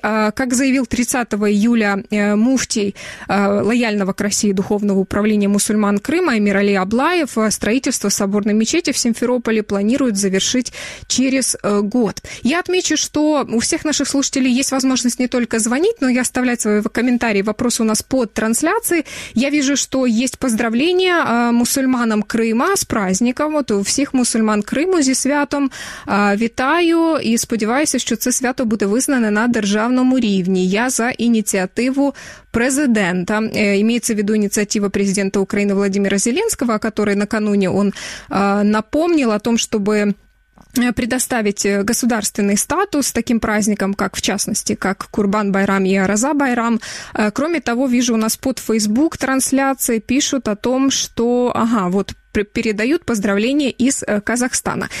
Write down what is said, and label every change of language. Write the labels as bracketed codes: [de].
[ru] Как заявил 30 июля муфтий лояльного к России духовного управления мусульман Крыма Эмирали Аблаев, строительство соборной мечети в Симферополе планируют завершить через год. Я отмечу, что у всех наших слушателей есть возможность не только звонить, но и оставлять свои комментарии. Вопрос у нас под трансляцией. Я вижу, что есть поздравления мусульманам Крыма с праздником. Вот у всех мусульман [uk] Крыму зі святом вітаю і сподіваюся, що це свято буде визнане на державному рівні. Я за ініціативу президента. [ru] Имеется в виду инициатива президента Украины Владимира Зеленского, о которой накануне он напомнил о том, чтобы предоставить государственный статус таким праздникам, как, в частности, как Курбан-Байрам и Ораза-Байрам. Кроме того, вижу у нас под Facebook трансляции пишут о том, что, ага, вот передают поздравления из Казахстана.